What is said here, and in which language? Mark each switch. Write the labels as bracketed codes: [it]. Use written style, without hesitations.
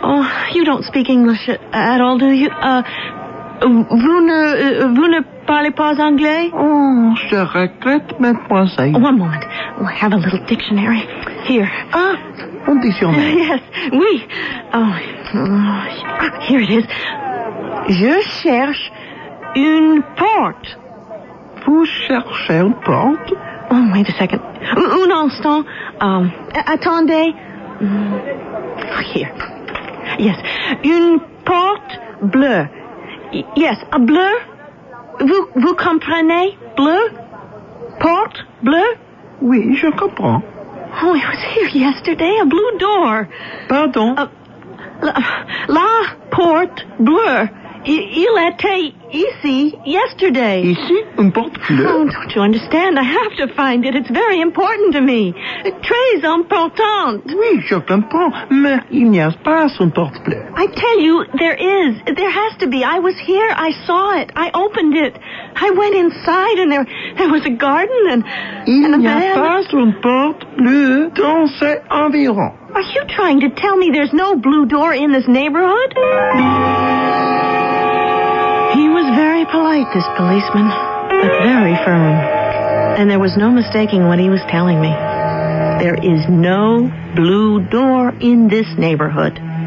[en] Oh, you don't speak English at all, do you? [fr] Vous ne parlez pas anglais? Oh, je regrette, mademoiselle. [en] One moment. I have a little dictionary. Here. [fr] Ah, un dictionnaire. [en] Yes, oui. Oh, here it is. [fr] Je cherche une porte. Vous cherchez une porte? [en] Oh, wait a second. [fr] Un instant. Attendez. [en] Here. Yes. [fr] Une porte bleue. Yes, a bleu. Vous comprenez? Bleu? Porte bleu? Oui, je comprends. [en] Oh, it was here yesterday, a blue door. [fr] Pardon? La porte bleue. Il était ici yesterday. Ici? Une porte bleue? [en] Oh, don't you understand? I have to find it. It's very important to me. [fr] Très important. Oui, je comprends. Mais il n'y a pas une porte bleue. [en] I tell you, there is. There has to be. I was here. I saw it. I opened it. I went inside and there was a garden and [fr] il n'y a pas une porte bleue dans cet environ. [en] Are you trying to tell me there's no blue door in this neighborhood? Polite, this policeman, but very firm. And there was no mistaking what he was telling me. There is no blue door in this neighborhood.